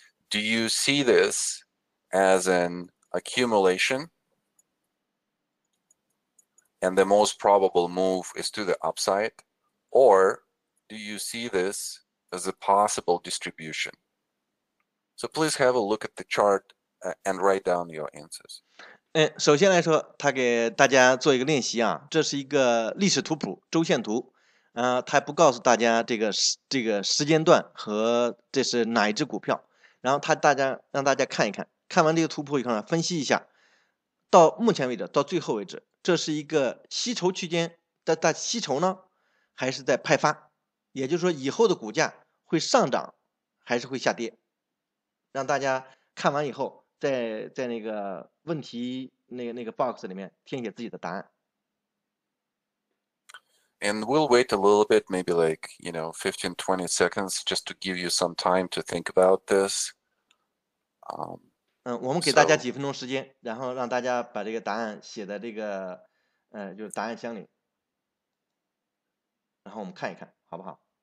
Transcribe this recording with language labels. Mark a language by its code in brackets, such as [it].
[en] Do you see this as an accumulation? and the most probable move is to the upside? Or do you see this as a possible distribution? So please have a look at the chart and write down your answers. [zh] 首先来说，他给大家做一个练习啊，这是一个历史图谱，周线图。他不告诉大家这个时间段和这是哪一只股票，然后让大家看一看，看完这个图谱以后呢，分析一下，到目前为止，到最后为止，这是一个吸筹区间，在吸筹呢，还是在派发？也就是说，以后的股价会上涨还是会下跌？让大家看完以后，在那个问题那个 box 里面填写自己的答案。 [en] And we'll wait a little bit, maybe like, you know, 15, 20 seconds, just to give you some time to think about this. [zh] 我们给大家几分钟时间，然后让大家把这个答案写在这个，就是答案箱里。然后我们看一看，好不好？